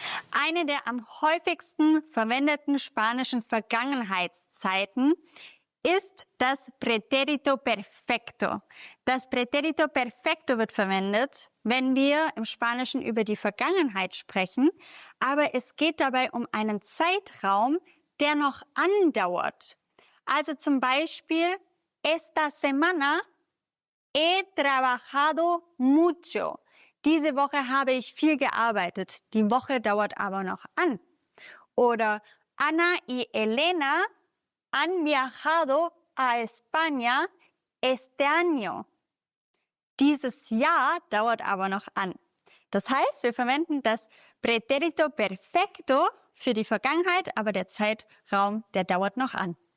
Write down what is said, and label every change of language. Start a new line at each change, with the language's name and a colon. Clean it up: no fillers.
German: Eine der am häufigsten verwendeten spanischen Vergangenheitszeiten ist das Pretérito Perfecto. Das Pretérito Perfecto wird verwendet, wenn wir im Spanischen über die Vergangenheit sprechen, aber es geht dabei um einen Zeitraum, der noch andauert. Also zum Beispiel,
Spanish: esta semana he trabajado mucho.
German: Diese Woche habe ich viel gearbeitet, die Woche dauert aber noch an.
Spanish: Oder Ana y Elena han viajado a España este año.
German: Dieses Jahr dauert aber noch an. Das heißt, wir verwenden das Pretérito Perfecto für die Vergangenheit, aber der Zeitraum, der dauert noch an.